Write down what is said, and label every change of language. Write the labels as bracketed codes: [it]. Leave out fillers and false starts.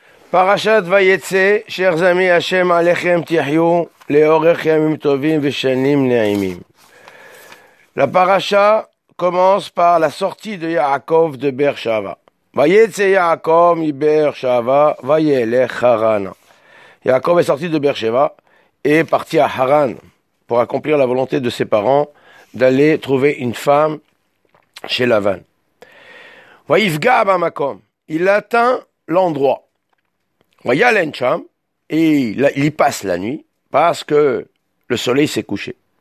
[he] פרשת ויצא, שייך זמי השם עליכם תחיו לאורך ימים טובים ושנים נעימים. [fr] La parasha commence par la sortie de Yaakov de Beersheba. [he] ויצא יעקב מבאר-שבע וילך חרנה. [fr] Yaakov est sorti de Beersheba et est parti à Haran pour accomplir la volonté de ses parents d'aller trouver une femme chez Lavan. [he] ויפגע במקום. [fr] Il atteint l'endroit. [he] וילן שם, [fr] et il y passe la nuit parce que le soleil s'est couché.